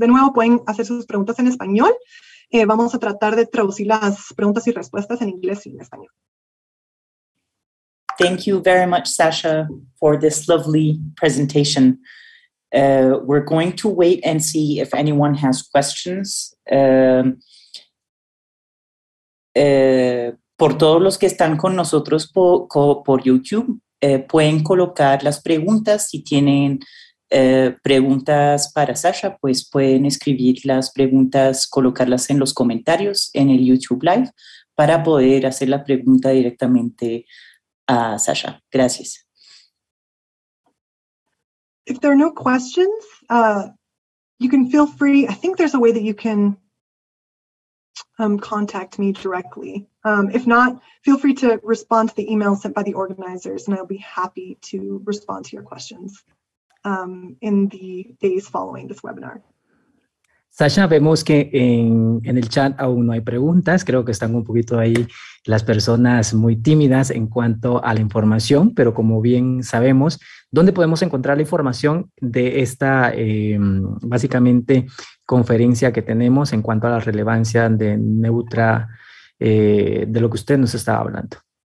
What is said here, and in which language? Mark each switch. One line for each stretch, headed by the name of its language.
Spanish: De nuevo, pueden hacer sus preguntas en español. Vamos a tratar de traducir las preguntas y respuestas en inglés y en español.
English: Thank you very much, Sasha, for this lovely presentation. We're going to wait and see if anyone has questions.
Spanish: Por todos los que están con nosotros por YouTube, pueden colocar las preguntas. Si tienen preguntas para Sasha, pues pueden escribir las preguntas, colocarlas en los comentarios en el YouTube Live para poder hacer la pregunta directamente a Sasha. Gracias.
English: If there are no questions, you can feel free. I think there's a way that you can contact me directly. If not, feel free to respond to the email sent by the organizers, and I'll be happy to respond to your questions in the days following this webinar.
Spanish: Sasha, vemos que en el chat aún no hay preguntas. Creo que están un poquito ahí las personas muy tímidas en cuanto a la información, pero como bien sabemos, ¿dónde podemos encontrar la información de esta básicamente conferencia que tenemos en cuanto a la relevancia de Neutra, de lo que usted nos estaba hablando?